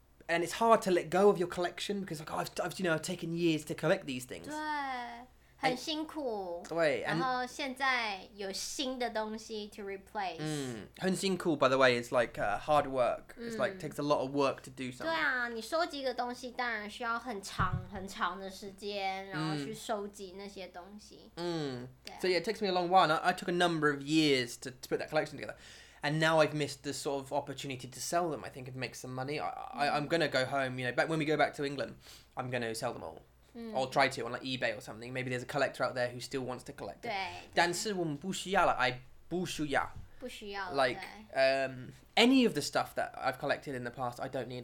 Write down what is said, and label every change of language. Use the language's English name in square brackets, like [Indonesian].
[English] And it's hard to let go of your collection because, like, I've taken years to collect these things. [Chinese] 很辛苦, 对, 然后现在有新的东西 [English] to replace. [Chinese] 很辛苦, [English] by the way, is like hard work. It's like takes a lot of work to do something. [Chinese] 对啊,你收集一个东西当然需要很长很长的时间,然后去收集那些东西. [English] So yeah, it takes me a long while. I took a number of years to put that collection together. And now I've missed the sort of opportunity to sell them, I think, and make some money. I'm going to go home, you know, back when we go back to England, I'm going to sell them all. Or try to on like eBay or something. Maybe there's a collector out there who still wants to collect it. [Chinese] 但是我们不需要了, [English] I [Chinese] 不需要了, [English] like, any of the stuff that I've collected in the past, I don't need.